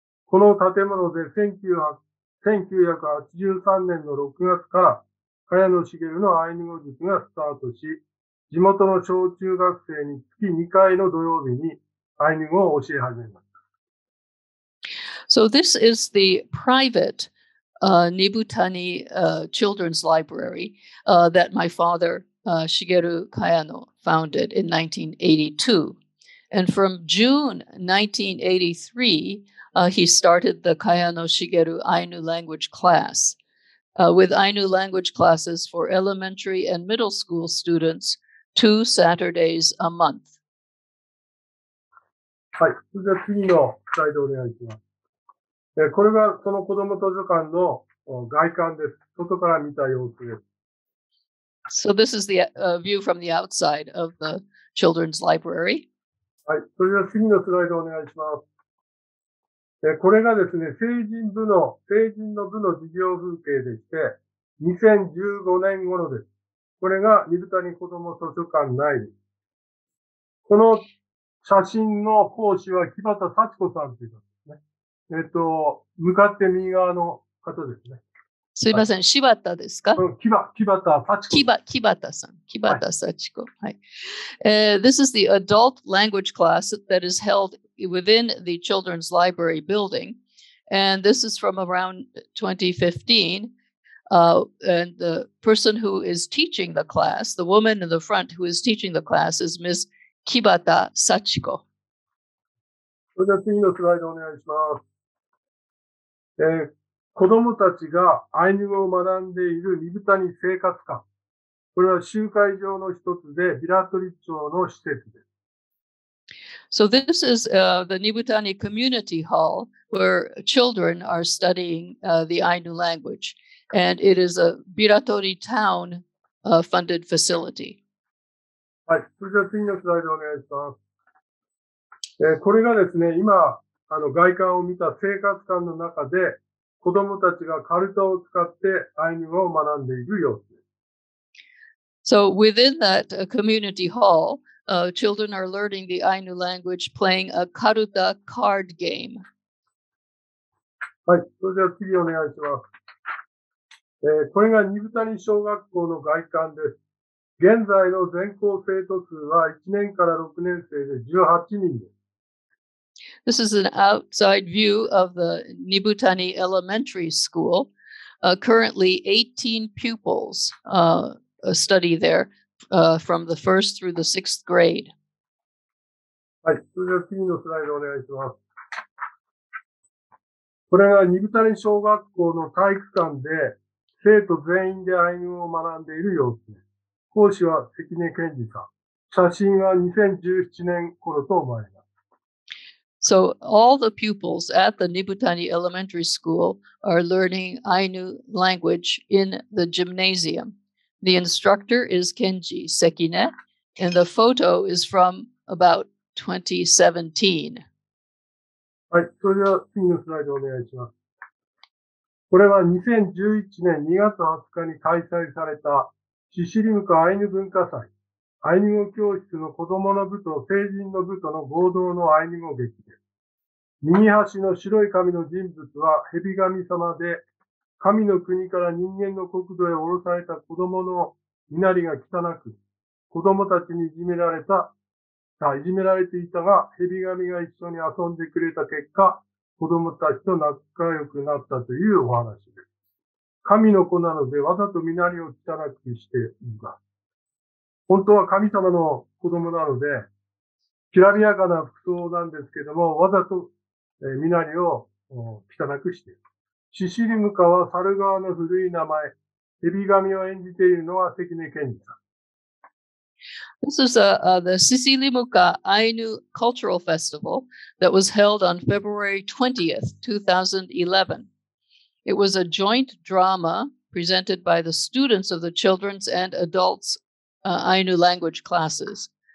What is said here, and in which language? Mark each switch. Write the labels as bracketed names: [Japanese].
[Japanese] この建物で1983年の6月から茅野茂のアイヌ語塾がスタートし、地元の小中学生に月2回の土曜日にアイヌ語を教え始めました。 [English] So this is the private Nibutani Children's Library that my father, Shigeru Kayano, founded in 1982. And from June 1983, he started the Kayano Shigeru Ainu language class with Ainu language classes for elementary and middle school students 2 Saturdays a month. [Japanese] はい、それでは次のスライドお願いします。これがその子ども図書館の外観です。外から見た様子です。 [English] So this is the view from the outside of the children's library. [Japanese] はい。それでは次のスライドお願いします。これがですね、成人の部の授業風景でして、2015年頃です。これが Nibutani子ども図書館内です。この写真の講師は木端幸子さんという方。向かって右側の方ですね。すいません、はい、柴田ですか？木端幸子。はい。 [English] はい、this is the adult language class that is held within the children's library building. And this is from around 2015. And the person who is teaching the class, the woman in the front who is teaching the class is Ms. [Japanese] 木端幸子。それでは次のスライドお願いします。子供たちがアイヌ語を学んでいるNibutani生活館。これは集会場の一つで、ビラトリ町の施設です。 [English] So this is the Nibutani Community Hall, where children are studying the Ainu language. And it is a Biratori Town funded facility. [Japanese] はい、それじゃあ次のスライドお願いします。これがですね、今あの外観を見た生活館の中で、子どもたちがカルタを使ってアイヌ語を学んでいる様子です。 [English] So within that community hall,children are learning the Ainu language playing a karuta card game. [Japanese] はい、それでは次お願いします。これがニブタニ小学校の外観です。現在の全校生徒数は1年から6年生で18人です。 [English] This is an outside view of the Nibutani Elementary School. Currently, 18 pupils study there from the first through the sixth grade. [Japanese] はい、それでは次のスライドお願いします。これが Nibutani 小学校の体育館で生徒全員でアイヌ語を学んでいる様子です。講師は関根健二さん。写真は2017年頃と思われます。 [English] So all the pupils at the Nibutani Elementary School are learning Ainu language in the gymnasium. The instructor is Kenji Sekine, and the photo is from about 2017. [Japanese] はい、それでは次のスライドお願いします。これは2011年2月20日に開催されたシシリムカアイヌ文化祭、アイヌ語教室の子供の部と成人の部との合同のアイヌ語劇です。右端の白い髪の人物は蛇神様で、神の国から人間の国土へ降ろされた子供の身なりが汚く、子供たちにいじめられていたが、蛇神が一緒に遊んでくれた結果、子供たちと仲良くなったというお話です。神の子なのでわざと身なりを汚くしています。本当は神様の子供なので、きらびやかな服装なんですけども、わざと身なりを汚くしている。シシリムカは猿川の古い名前、蛇神を演じているのは関根健二さん。 [English] This is the Sisilimuka Ainu Cultural Festival that was held on February 20th, 2011. It was a joint drama presented by the students of the children's and adults' Ainu language classes.